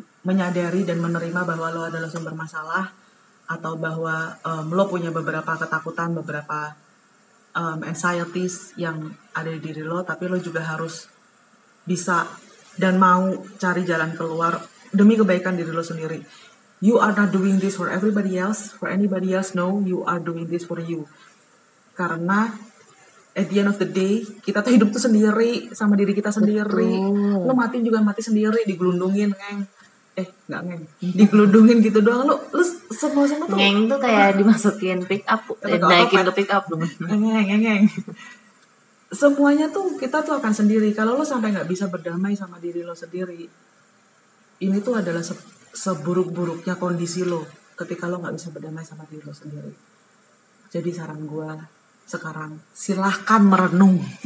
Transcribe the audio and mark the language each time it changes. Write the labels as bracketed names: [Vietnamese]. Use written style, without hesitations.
[Indonesian] menyadari dan menerima bahwa lo adalah sumber masalah, atau bahwa lo punya beberapa ketakutan, beberapa anxieties yang ada di diri lo, tapi lo juga harus bisa dan mau cari jalan keluar demi kebaikan diri lo sendiri. [English] You are not doing this for everybody else, for anybody else, no, you are doing this for you. [Indonesian] Karena [English] at the end of the day, [Indonesian] kita tuh hidup tuh sendiri, sama diri kita sendiri. Betul. Lo mati juga mati sendiri, digelundungin, ngeng. Digelundungin gitu doang, lo semua-semua tuh. Ngeng tuh kayak dimasukin pick up, naikin ke pick up. Ngeng. Semuanya tuh, kita tuh akan sendiri. Kalau lo sampai gak bisa berdamai sama diri lo sendiri, ini tuh adalah seburuk-buruknya kondisi lo ketika lo gak bisa berdamai sama diri lo sendiri. Jadi saran gue sekarang, silahkan merenung.